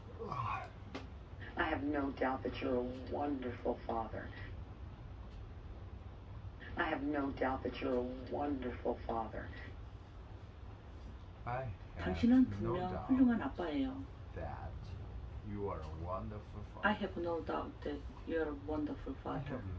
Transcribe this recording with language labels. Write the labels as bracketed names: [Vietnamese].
[English] I have no doubt that you're a wonderful father. I have no doubt that you're a wonderful father. [Korean] 당신은 분명 훌륭한 아빠예요. [English] That you are a wonderful father. I have no doubt that you're a wonderful father.